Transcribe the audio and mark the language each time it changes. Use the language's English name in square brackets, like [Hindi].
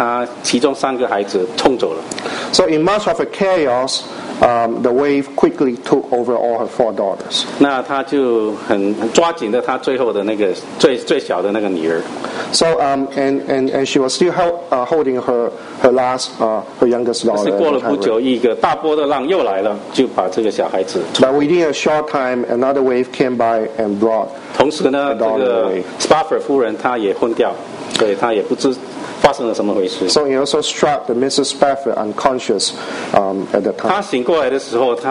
[Chinese] 那但是呢，在混乱的当中呢，有一大波的浪过来，把他其中三个孩子冲走了。 [English] So in much of a chaos, the wave quickly took over all her four daughters. [Chinese] 那他就很抓紧的他最后的那个最小的那个女儿。 [English] So and she was still holding her youngest daughter. [Chinese] 但是过了不久，一个大波的浪又来了，就把这个小孩子冲走了。 [English] But within a short time, another wave came by and brought. [Chinese] 同时呢，这个 Spafford 夫人她也昏掉，所以她也不知发生了什么回事。 [English] So he also struck the Mrs. Spafford unconscious at the time.